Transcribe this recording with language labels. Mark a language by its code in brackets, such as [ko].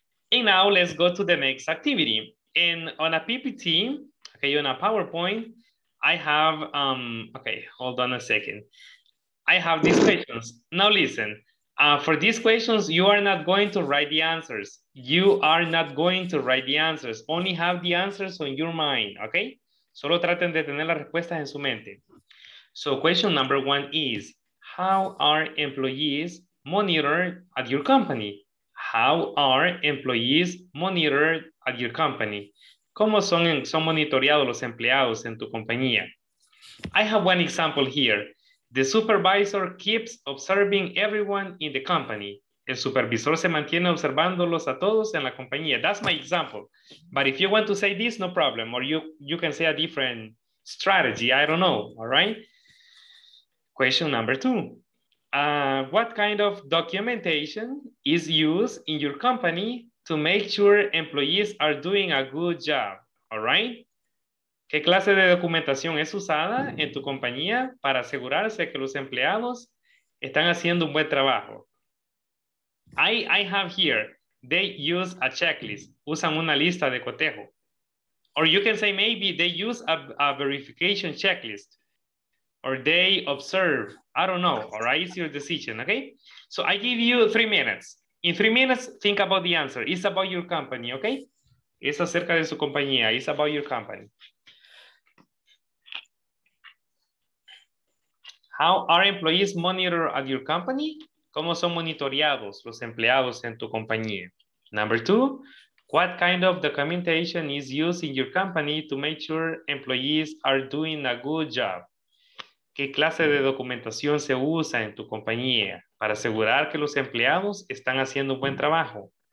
[en] And now let's go to the next activity. And on a PPT, okay, on a PowerPoint, I have, okay, hold on a second. I have these questions. Now listen, for these questions, you are not going to write the answers. You are not going to write the answers. Only have the answers on your mind, okay? [es] Solo traten de tener las respuestas en su mente. [en] So question number one is, how are employees monitored at your company? How are employees monitored at your company? [es] ¿Cómo son monitoreados los empleados en tu compañía? [en] I have one example here. The supervisor keeps observing everyone in the company. [es] El supervisor se mantiene observándolos a todos en la compañía. [en] That's my example. But if you want to say this, no problem. Or you can say a different strategy. I don't know. All right? Question number two. What kind of documentation is used in your company to make sure employees are doing a good job? All right? [es] ¿Qué clase de documentación es usada en tu compañía para asegurarse que los empleados están haciendo un buen trabajo? [en] I have here, they use a checklist. [es] Usan una lista de cotejo. [en] Or you can say maybe they use a verification checklist. Or they observe. I don't know. All right, it's your decision, okay? So I give you 3 minutes. In 3 minutes, think about the answer. It's about your company, okay? [es] Es acerca de su compañía. [en] It's about your company. How are employees monitored at your company? [es] ¿Cómo son monitoreados los empleados en tu compañía? [en] Number two, what kind of documentation is used in your company to make sure employees are doing a good job? [es] ¿Qué clase de documentación se usa en tu compañía para asegurar que los empleados están haciendo un buen trabajo?